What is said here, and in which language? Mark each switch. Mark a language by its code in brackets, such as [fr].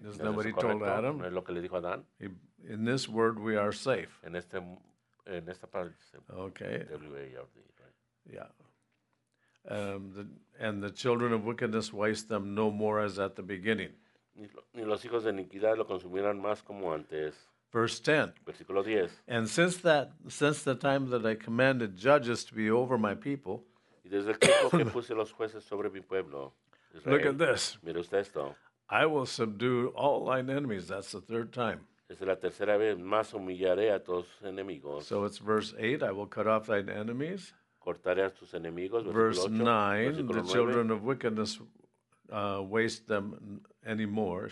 [en] Isn't that what he told Adam? [es] ¿No es lo que le dijo Adán? [en] In this word we are safe. [es] En esta parte. [en] Okay. W-A-R-D, right? Yeah. And the children of wickedness waste them no more as at the beginning. [es] Ni los hijos de iniquidad lo consumirán más como antes. [en] Verse 10. [es] Versículo 10. [en] And since the time that I commanded judges to be over my people. [es] Y desde el tiempo que puse los jueces sobre mi pueblo. [en] Israel. Look at this. [es] Mira usted esto. [en] I will subdue all thine enemies. That's the third time. [es] Es la tercera vez. Más humillaré a tus enemigos. [en] So it's verse 8. I will cut off thine enemies. [es] Cortaré a tus enemigos. [en] Verse 9. The 9. Children of wickedness waste them anymore.